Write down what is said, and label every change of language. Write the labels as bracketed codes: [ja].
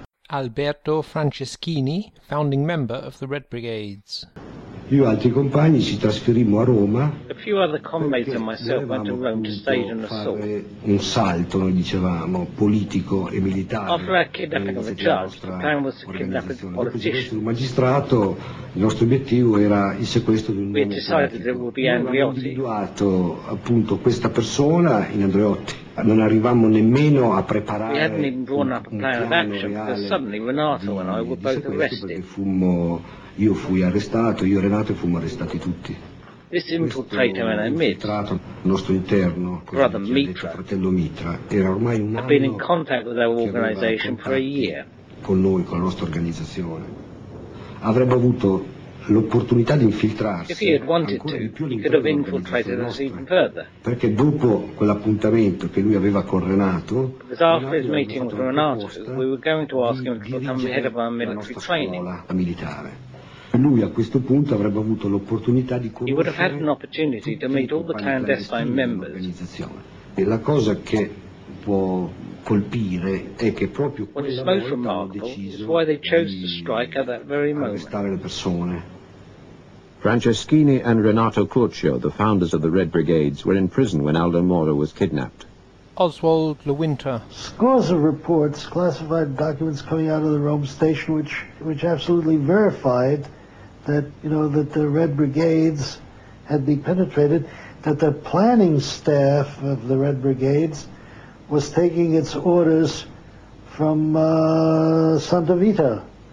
[en] Alberto Franceschini, founding member of the Red Brigades. [it] Io e altri compagni ci trasferimmo a Roma. [en] A few other comrades and myself went to Rome to stage an assault. [it] Un salto, noi dicevamo, politico e militare. [en] After our kidnapping of a judge, the plan was to kidnap a politician. [it] Un magistrato, il nostro obiettivo era il sequestro di un uomo politico. [en] We decided that it would be Andreotti. [it] Abbiamo individuato appunto questa persona in Andreotti. Non arrivammo nemmeno a preparare. [en] We hadn't even drawn up a plan of action because suddenly Renato and I were both arrested. [it] Io fui arrestato, io e Renato fummo arrestati tutti. [en] This infiltrator and I met, [it] nostro interno, [en] brother Mitra, [it] detto, fratello Mitra, era ormai un [en] anno been in contact with our organization for a year. [it] Con noi, con la nostra organizzazione. Avrebbe avuto l'opportunità di infiltrarsi. [en] If he had wanted to, he could have infiltrated us even further. [it] Perché dopo quell'appuntamento che lui aveva con Renato, [en] we were going to ask him to become head of our military training. [it] La militare. Lui a questo punto avrebbe avuto l'opportunità di conoscere. [en] He would have had an opportunity to meet all the clandestine members. [it] E la cosa che può colpire è che proprio [en] questo is why they chose to strike at that very moment. [it] Le persone. [en] Franceschini and Renato Curcio, the founders of the Red Brigades, were in prison when Aldo Moro was kidnapped. Oswald Le Winter. Scores of reports, classified documents coming out of the Rome station, which absolutely verified that, you know, that the Red Brigades had been penetrated, that the planning staff of the Red Brigades was taking its orders from Santa Vita.